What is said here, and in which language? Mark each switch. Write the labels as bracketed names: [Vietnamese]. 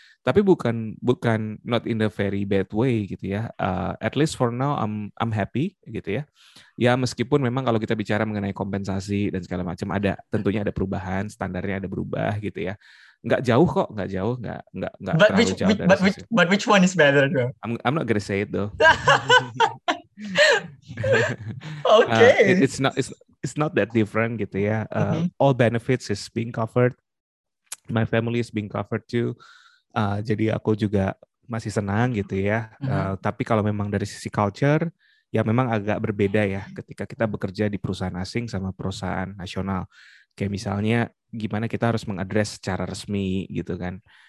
[Indonesian] Tapi bukan [English] not in the very bad way gitu ya. At least for now I'm happy [Indonesian] gitu ya. Ya meskipun memang kalau kita bicara mengenai kompensasi dan segala macam, ada tentunya ada perubahan, standarnya ada berubah gitu ya. Enggak jauh kok, enggak jauh, enggak terlalu [English] which, [Indonesian] jauh. [English] But which one is better though? I'm not gonna say it though. Okay. It's not that different gitu ya. All benefits is being covered. My family is being covered too. [Indonesian] Jadi aku juga masih senang gitu ya. Tapi kalau memang dari sisi culture, ya memang agak berbeda ya ketika kita bekerja di perusahaan asing sama perusahaan nasional. Kayak misalnya gimana kita harus mengaddress secara resmi gitu kan.